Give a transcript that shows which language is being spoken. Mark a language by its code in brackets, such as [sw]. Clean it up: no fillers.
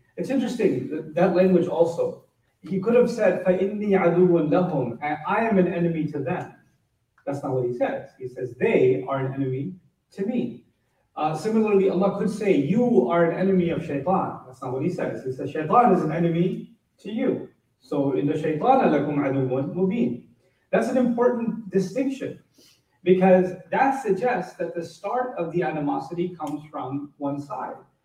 [en] It's interesting, that language also. He could have said, [ar] فَإِنِّي عَدُوٌ لَهُمْ, [en] and I am an enemy to them. That's not what he says. He says, they are an enemy to me. Similarly, Allah could say, you are an enemy of shaytan. That's not what he says. He says, shaytan is an enemy to you. [ar] So, إِنَّ شَيْطَانَ لَكُمْ عَدُوٌ مُبِينٌ. [en] That's an important distinction. Because that suggests that the start of the animosity comes from one side.